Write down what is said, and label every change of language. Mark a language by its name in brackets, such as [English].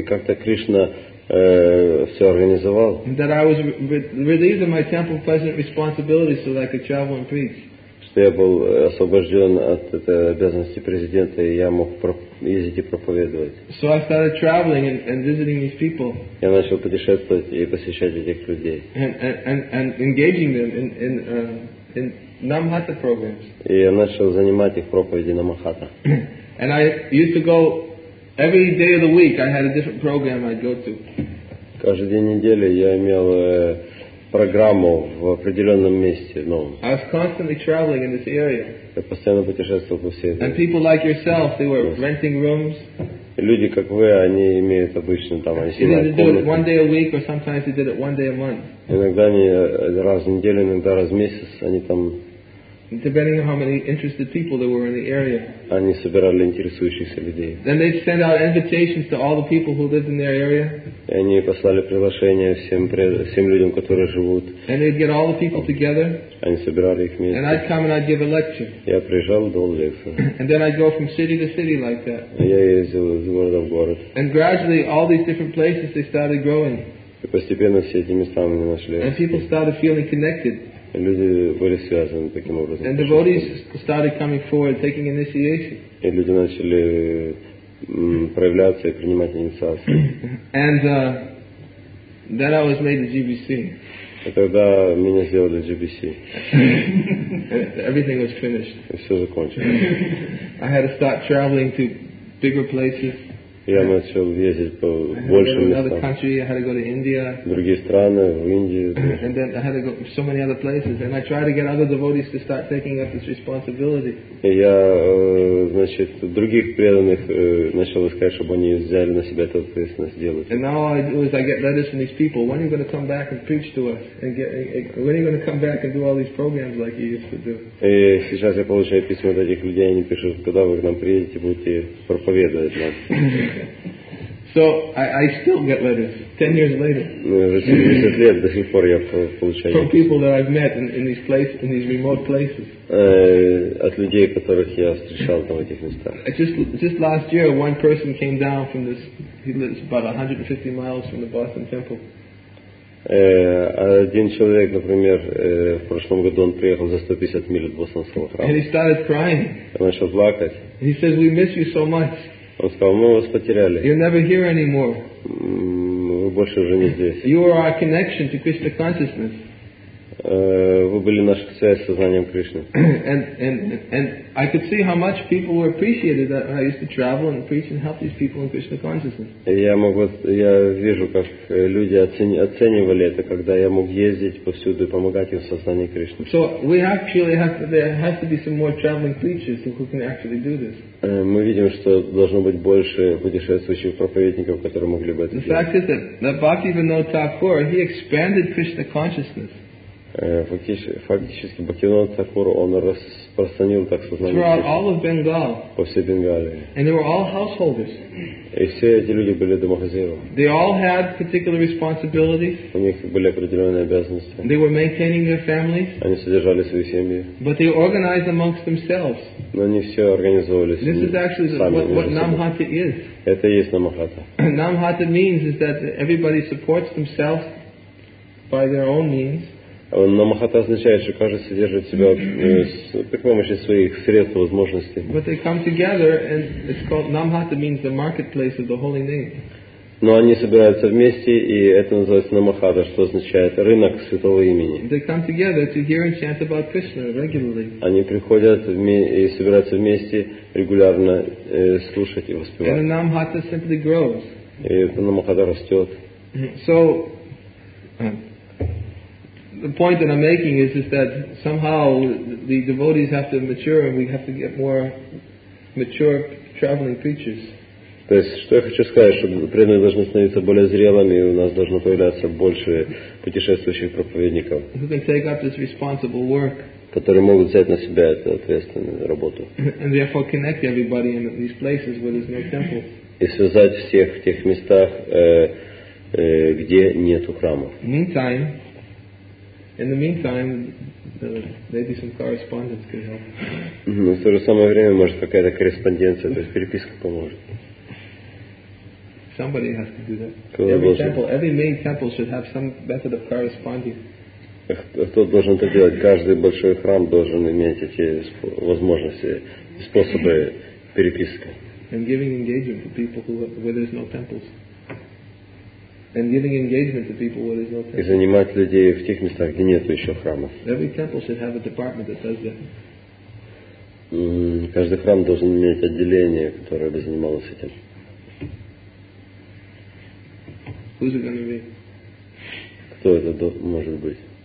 [Russian] И как-то Кришна все организовал. [English] That I was relieved of my temple president responsibility so that I could travel and preach. [Russian] Что я был освобожден от этой обязанности президента, и я мог ездить и проповедовать. [English] So I started traveling and visiting these people. [Russian] Я начал путешествовать и посещать этих людей. [English] And engaging them in Namhata programs. [Russian] И я начал занимать их проповеди на Махата. [English] And I used to go every day of the week. I had a different program I'd go to. [Russian] Каждый день недели я имел программу в определенном месте. Но [English] I was constantly traveling in this area. [Russian] Я постоянно путешествовал по всей. [English] And people like yourself, they were renting rooms. [Russian] Люди как вы, они имеют обычно там. [English] They did it one day a week, or sometimes they did it one day a month. [Russian] Иногда они раз в неделю, иногда раз в месяц, они там. [English] Depending on how many interested people there were in the area. [Russian] Они собирали интересующихся людей. [English] Then they sent out invitations to all the people who lived in their area. [Russian] И они послали приглашения всем людям, которые живут. [English] And they'd get all the people together. [Russian] Они собирали их вместе. [English] And I'd come and I'd give a lecture. [Russian] Я приезжал, дал лекцию. [English] And then I'd go from city to city like that. [Russian] Я ездил из города в город. [English] And gradually all these different places they started growing. [Russian] И постепенно все эти места мы нашли. [English] And people started feeling connected. [Russian] Люди были связаны таким образом. [English] And devotees started coming forward, taking initiation. [Russian] И люди начали проявляться и принимать инициацию. [English] And then I was made the GBC. [Russian] И тогда меня сделали GBC. [English] Everything was finished. [Russian] И все закончилось. [English] I had to start traveling to bigger places. [Russian] Я начал ездить по большим местам. [English] Another country, I had to go to India. [Russian] Другие страны, в Индию. [English] And then I had to go to so many other places, and I tried to get other devotees to start taking up this responsibility. [Russian] И я, значит, других преданных начал искать, чтобы они взяли на себя эту ответственность делать. [English] And now all I do is I get letters from these people. When are you going to come back and preach to us? And when are you going to come back and do all these programs like you used to do? [Russian] И сейчас я получаю письма от этих людей, они пишут, когда вы к нам приедете, будете проповедовать нам. [English] So I still get letters 10 years later. From people that I've met in these places, in these remote places. [Russian] От людей, которых я встречал там в этих местах. [English] Just last year, one person came down from this. He lives about 150 miles from the Boston Temple. [Russian] Один человек, например, в прошлом году он приехал за 150 миль от Бостонского храма. [English] And he started crying. [Russian] Он начал плакать. [English] He says, "We miss you so much." [Russian] Он сказал, мы вас потеряли. [English] You're never here anymore. [Russian] Вы больше уже не здесь. [English] You are our connection to Krishna consciousness. [Russian] Вы были наша связь с сознанием Кришны. [English] And I could see how much people were appreciated that I used to travel and preach and help these people in Krishna consciousness. [Russian] Я вижу, как люди оценивали это, когда я мог ездить повсюду и помогать им в сознании Кришны. [English] So we actually have to, there has to be some more traveling preachers who can actually do this. [Russian] Мы видим, что должно быть больше путешествующих проповедников, которые могли бы это делать. [English] The fact is that Bhaktivinoda Thakur, he expanded Krishna consciousness. [Russian] Фактически Бхактивинода Тхакура он распространил так сознание по всей Бенгалии. [English] And they were all householders. [Russian] И все эти люди были домохозяевами. [English] They all had particular responsibilities. [Russian] У них были определенные обязанности. [English] They were maintaining their families. [Russian] Они содержали свои семьи. [English] But they organized amongst themselves. [Russian] Но они все организовывались сами. [English] This is actually what Namhata is. [Russian] Это и есть Намхата. [English] Namhata means is that everybody supports themselves by their own means. [Russian] Намахата означает, что каждый содержит себя при помощи своих средств, возможностей. [English] But they come together, and it's called Namhata means the marketplace of the holy name. [Russian] Но они собираются вместе, и это называется Намахата, что означает рынок святого имени. [English] They come together to hear and chant about Krishna regularly. [Russian] Они приходят и собираются вместе регулярно слушать и воспевать. [English] And the Namhata simply grows. [Russian] И это Намахата растет. [English] So. The point that I'm making is that somehow the devotees have to mature and we have to get more mature traveling preachers. [Russian] То есть, что я хочу сказать, что преданные должны становиться более зрелыми, и у нас должно появляться больше путешествующих проповедников. [English] Who can take up this responsible work. [Russian] Которые могут взять на себя эту ответственную работу. [English] And therefore connect everybody in these places where there's no temple. [Russian] И связать всех в тех местах, где нету храмов. [English] Meantime, in the meantime, maybe some correspondence could help. [Russian] Ну, в то же самое время, может, какая-то корреспонденция, то есть переписка поможет. [English] Somebody has to do that. Every main temple should have some method of corresponding. [Russian] Кто должен это делать? Каждый большой храм должен иметь эти возможности, способы переписки. [English] And giving engagement to people where there's no temples. And giving engagement to people where there's no temple. [Russian] И занимать людей в тех местах, где нет еще храмов. [English] Every temple should have a department that does that. [Russian] Каждый храм должен иметь отделение, которое бы занималось этим. [English] Who's it going to be? [Russian] Кто это может быть?